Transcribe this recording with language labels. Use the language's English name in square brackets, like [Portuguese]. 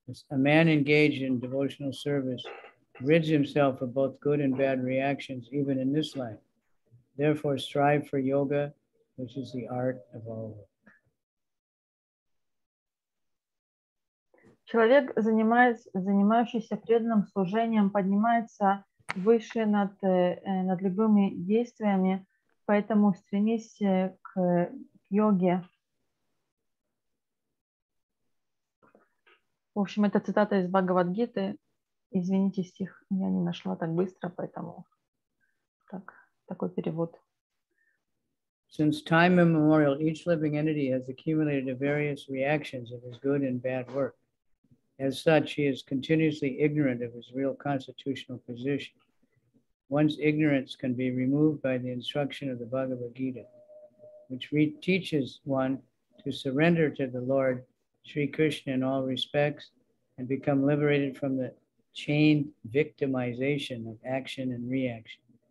[English] A man engaged in devotional service rids himself of both good and bad reactions, even in this life. Therefore, strive for yoga, which is the art of all work. [Russian] Человек, занимающийся преданным служением, поднимается выше над любыми действиями, поэтому стремись к йоге. В общем, это цитата из Бхагавадгиты. Извините, стих я не нашла так быстро, поэтому так, такой перевод. [English] Since time immemorial, each living entity has accumulated the various reactions of his good and bad work. As such, he is continuously ignorant of his real constitutional position. One's ignorance can be removed by the instruction of the Bhagavad Gita, which teaches one to surrender to the Lord Shri Krishna in all respects and become liberated from the chained victimization of action and reaction.